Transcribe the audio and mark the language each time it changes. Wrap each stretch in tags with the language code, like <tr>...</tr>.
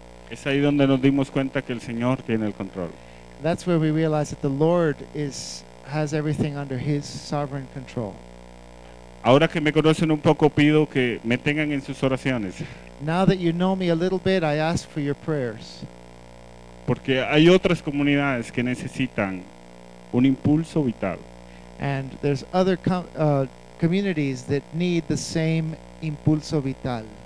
<es>Es ahí donde nos dimos cuenta que el Señor tiene el control.</es> <en>That's where we realize that the Lord has everything under his sovereign control.</en> <es>Ahora que me conocen un poco, pido que me tengan en sus oraciones.</es> <en>Now that you know me a little bit, I ask for your prayers.</en> <es>Porque hay otras comunidades que necesitan un impulso vital.</es> <en>And there's other communities that need the same</en> <es>impulso vital.</es>